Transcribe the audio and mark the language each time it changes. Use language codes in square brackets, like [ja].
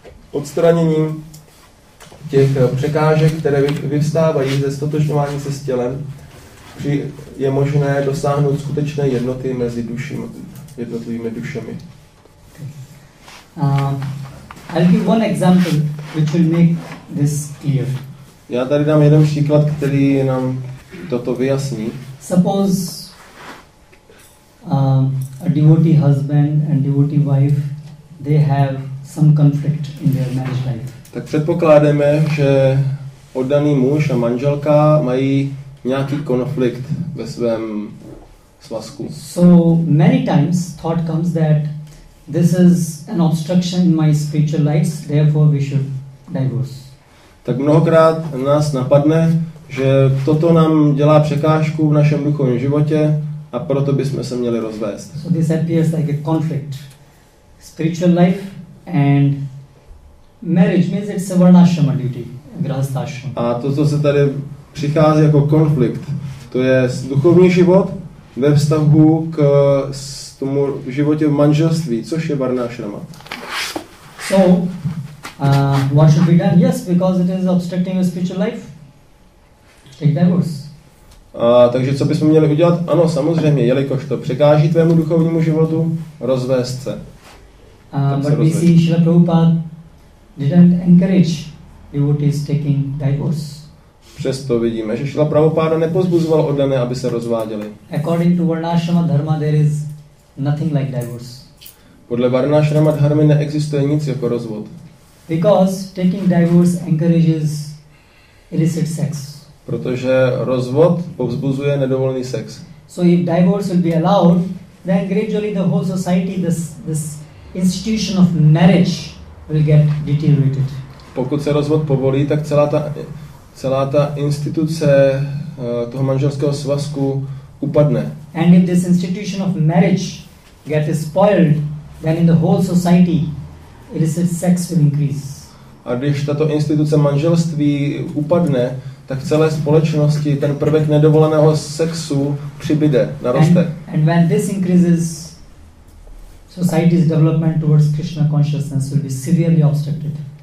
[cs] Odstraněním těch překážek, které vyvstávají ze stotožňování se s tělem, je možné dosáhnout skutečné jednoty mezi jednotlivými dušemi. [en] I'll give one example which will make this clear. [cs] Já tady dám jeden příklad, který nám toto vyjasní. [en] Suppose a devotee husband and devotee wife, they have some conflict in their marriage life. [cs] Tak předpokládáme, že oddaný muž a manželka mají nějaký konflikt ve svém svazku. [en] So many times thought comes that this is an obstruction in my spiritual life, therefore we should divorce. [cs] Tak mnohokrát nás napadne, že toto nám dělá překážku v našem duchovním životě a proto bychom se měli rozvést. [en] So this appears like a conflict. Spiritual life and marriage means it's a varnashrama duty, a grahastha ashrama. [cs] A to, co se tady přichází jako konflikt, to je duchovní život ve vztahu k tomu životě manželství, což je varnášrama. [en] So, what should be done? Yes, because it is obstructing your spiritual life. Take divorce. [cs] Takže co bychom měli udělat? Ano, samozřejmě, jelikož to překáží tvému duchovnímu životu, rozvést se. [en] But we see Srila Prabhupada didn't encourage devotees taking divorce. [cs] Přesto vidíme, že Srila Prabhupada nepozbuzoval oddané, aby se rozváděli. [en] According to Varnashrama Dharma, there is nothing like divorce. [cs] Podle Varnashrama Dharmy neexistuje nic jako rozvod. [en] Because taking divorce encourages illicit sex. [cs] Protože rozvod povzbuzuje nedovolný sex. [en] So if divorce will be allowed, then gradually the whole society, this institution of marriage will get deteriorated. [cs] Pokud se rozvod povolí, tak celá ta instituce toho manželského svazku upadne. [en] And if this institution of marriage gets spoiled, then in the whole society illicit sex will increase. [cs] A když tato instituce manželství upadne, tak v celé společnosti ten prvek nedovoleného sexu přibyde, naroste. [en] And when this increases, society's development towards Krishna consciousness will be severely obstructed.